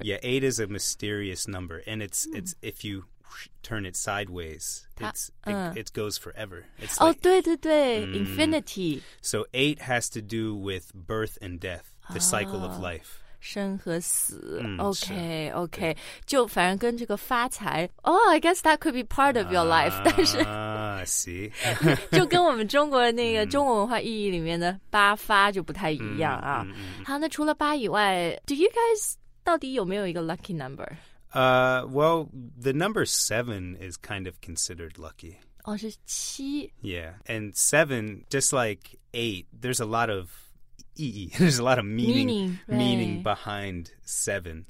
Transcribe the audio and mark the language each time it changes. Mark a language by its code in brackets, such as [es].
[en] Yeah, eight is a mysterious number, and it's if you turn it sideways, it goes forever. It's like, [zh] 对对对 infinity. [en] So eight has to do with birth and death, the cycle of life. [zh] 生和死。 [en] Okay, okay. [zh] 就反而跟这个发财 [en] Oh, I guess that could be part of your life. [zh] 但是 [en] see. [zh] 就跟我们中国那个中国文化意义里面的八发就不太一样啊。好，那除了八以外 , [en] do you guys [zh] 到底有没有一个 [en] lucky number? Well, the number 7 is kind of considered lucky. Oh, [zh] 是七 [en] Yeah, and 7, just like 8, there's a lot of [zh] 意义 [en] There's a lot of meaning behind 7.